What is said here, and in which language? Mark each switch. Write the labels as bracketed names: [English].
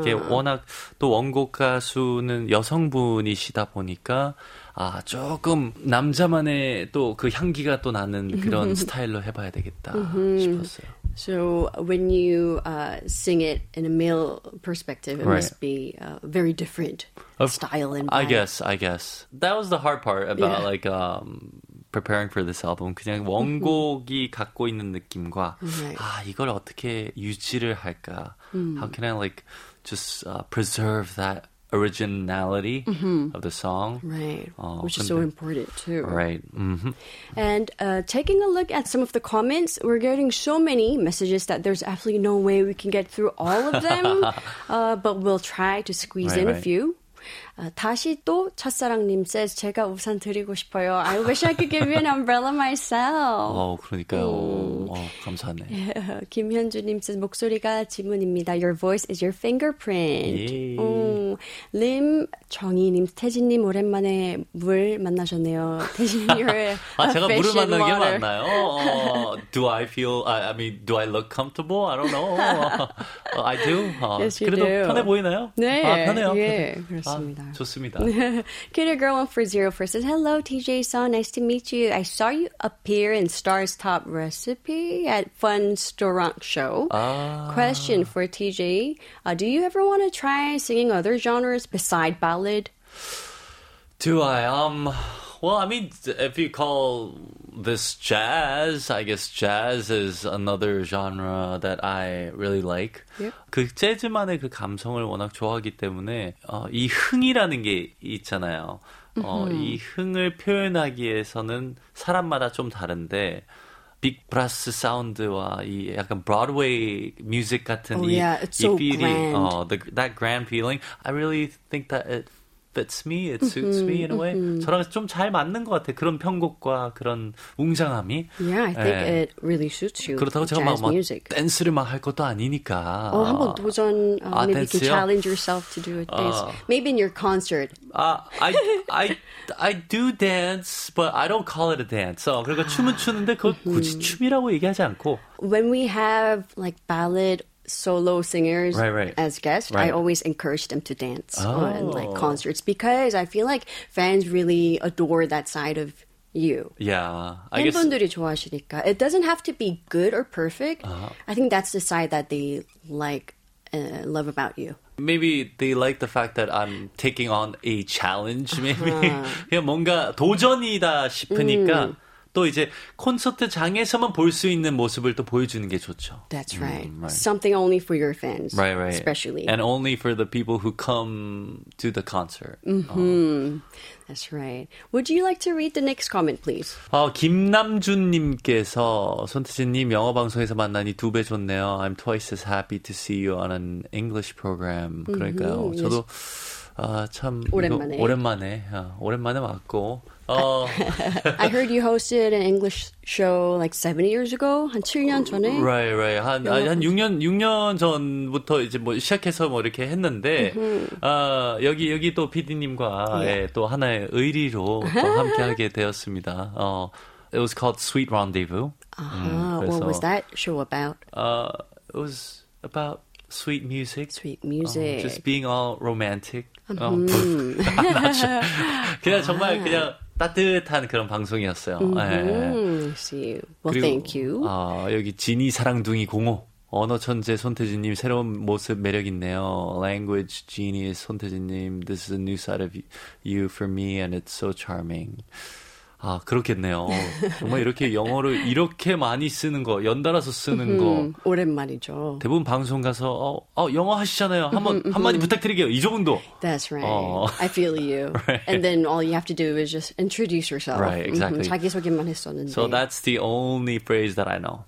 [Korean] 이게 워낙 또 원곡 가수는 여성분이시다 보니까 아 조금 남자만의 또 그 향기가 또 나는 그런 스타일로 해봐야 되겠다 싶었어요. [English] So when you sing it in a male perspective, it must be a very different style and vibe. I guess. That was the hard part about like preparing for this album. [Korean] 그냥 원곡이 갖고 있는 느낌과 [English] right. [Korean] 아 이걸 어떻게 유지를 할까? [English] How can I like just preserve that originality of the song? Right. Which is so important too. Right. Mm-hmm. And taking a look at some of the comments, we're getting so many messages that there's absolutely no way we can get through all of them. but we'll try to squeeze in a few. [Korean] 다시 또 첫사랑님 says 제가 우산 드리고 싶어요. [English] I wish I could give you an umbrella myself. [Korean] 어 그러니까요. 감사하네. [English] 김현주님 says [Korean] 목소리가 지문입니다. [English] Your voice is your fingerprint. [Korean] 림 정희님 태진님 오랜만에 물 만나셨네요. [English] 태진님 you're a [Korean] 제가 물을 만난 게 맞나요? [English] Do I feel? I mean, do I look comfortable? I don't know. I do. Yes, you [Korean] 그래도 [English] do. [Korean] 편해 보이나요? 네. 아 편해요. 예, 편해. 그렇습니다. 좋습니다. [English] Kitty Girl 1404 says, Hello, TJ Song. Nice to meet you. I saw you appear in Star's Top Recipe at Fun Storank Show. Question for TJ. Do you ever want to try singing other genres beside ballad? Do I? Well, I mean, if you call this jazz, I guess jazz is another genre that I really like. Yep. [Korean] 그 재즈만의 그 감성을 워낙 좋아하기 때문에 이 흥이라는 게 있잖아요. 이 흥을 표현하기 위해서는 사람마다 좀 다른데 빅 브라스 사운드와 이 약간 브로드웨이 뮤직 같은 이 feel, [English] that grand feeling. I really think that it fits me, it suits me in a way. [Korean] 저랑 좀 잘 맞는 것 같아. 그런 편곡과 그런 웅장함이. [English] Yeah, I think 네. it really suits you. [Korean] 그렇다고 [English] jazz [Korean] 제가 막 [English] music. [Korean] 댄스를 막 할 것도 아니니까. 한번 도전. [English] Maybe you can challenge yourself to do a dance. Maybe in your concert. I do dance, but I don't call it a dance. [Korean] 그리고 춤은 추는데 그걸 굳이 춤이라고 얘기하지 않고. [English] When we have like ballad solo singers right. as guests, right. I always encourage them to dance in like concerts because I feel like fans really adore that side of you. Yeah. I guess [Korean] 팬분들이 좋아하시니까. [English] It doesn't have to be good or perfect. Uh-huh. I think that's the side that they like, love about you. Maybe they like the fact that I'm taking on a challenge, maybe. Uh-huh. [Korean] 그냥 뭔가 도전이다 싶으니까. 또 이제 콘서트 장에서만 볼 수 있는 모습을 또 보여주는 게 좋죠. [English] That's right. Something only for your fans. Right. Especially. And only for the people who come to the concert. That's right. Would you like to read the next comment, please? [Korean] 김남준님께서 손태진님 영어 방송에서 만나니 두 배 좋네요. [English] I'm twice as happy to see you on an English program. [Korean] 그러니까요. 저도 참 오랜만에. 이거, 오랜만에. 오랜만에 왔고. [English] I heard you hosted an English show like 70 years ago, [Korean] 한 7년 전에. [English] Right. [Korean] 한 6년 전부터 이제 뭐 시작해서 뭐 이렇게 했는데, 여기 또 PD님과 또 하나의 의리로 또 함께하게 되었습니다. [English] It was called Sweet Rendezvous. What was that show about? It was about sweet music. Sweet music. Just being all romantic. Mm-hmm. [Korean] 그냥 정말 그냥 따뜻한 그런 방송이었어요. [English] Mm-hmm. 네. See you. Well, [Korean] 그리고, [English] thank you. [Korean] 여기 지니 사랑둥이 공호. 언어 천재 손태진님 새로운 모습 매력 있네요. [English] Language genius 손태진님, this is a new side of you for me and it's so charming. [Korean] 아 그렇겠네요. 정말 이렇게 영어를 이렇게 많이 쓰는 거, 연달아서 쓰는 거 오랜만이죠. 대부분 방송 가서 영어 하시잖아요. 한번 한마디 부탁드릴게요. 이 정도. [English] That's right. I feel you. Right. And then all you have to do is just introduce yourself. Right, exactly. [Korean] 자기소개만 했었는데. [English] So that's the only phrase that I know.